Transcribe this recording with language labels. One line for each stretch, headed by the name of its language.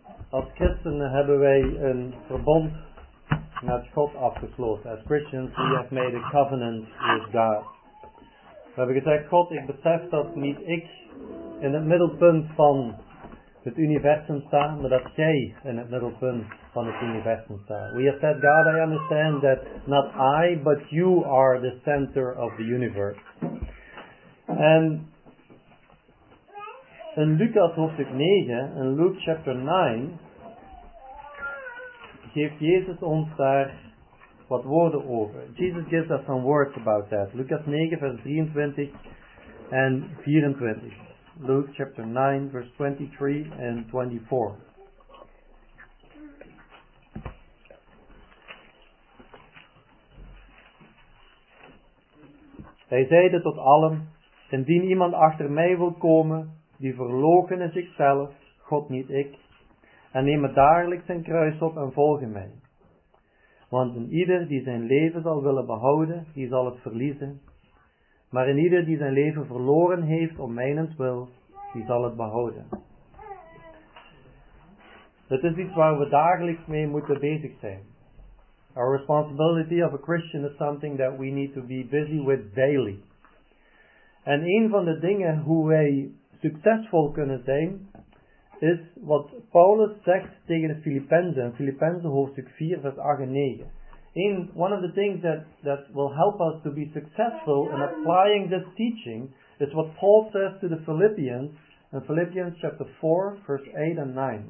Dutch: Als christenen hebben wij een verbond met God afgesloten.
English: As Christians, we have made a covenant with God.
Dutch: We hebben gezegd, God, ik besef dat niet ik in het middelpunt van het universum sta, maar dat jij in het middelpunt van het universum staat.
English: We have said, God, I understand that not I, but you are the center of the universe.
Dutch: En in Lucas hoofdstuk 9,
English: in Luke chapter 9,
Dutch: geeft Jezus ons daar wat woorden over.
English: Jesus gives us some words about that.
Dutch: Lucas 9, vers 23 en 24.
English: Luke chapter 9, verse 23 and 24.
Dutch: Hij zeide tot allen, indien iemand achter mij wil komen, die verloochene zichzelf, God niet ik, en neem dagelijks zijn kruis op en volg mij. Want een ieder die zijn leven zal willen behouden, die zal het verliezen. Maar een ieder die zijn leven verloren heeft om mijnens wil, die zal het behouden. Het is iets waar we dagelijks mee moeten bezig zijn.
English: Our responsibility of a Christian is something that we need to be busy with daily.
Dutch: En een van de dingen hoe wij succesvol kunnen zijn, is wat Paulus zegt tegen de Filippenzen. Filippenzen hoofdstuk 4, vers 8 en 9.
English: In one of the things that will help us to be successful in applying this teaching, is what Paul says to the Philippians, in Philippians chapter 4,
Dutch: vers 8 en 9.